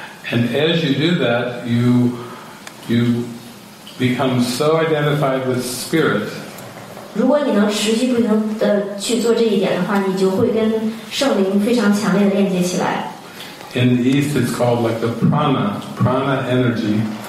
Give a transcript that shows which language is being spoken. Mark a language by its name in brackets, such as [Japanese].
[English] And as you do that, you become so identified with spirit. [Chinese] 如果你能持续不停地去做这一点的话，你就会跟圣灵非常强烈的链接起来。 [English] In the East, it's called like the prana energy.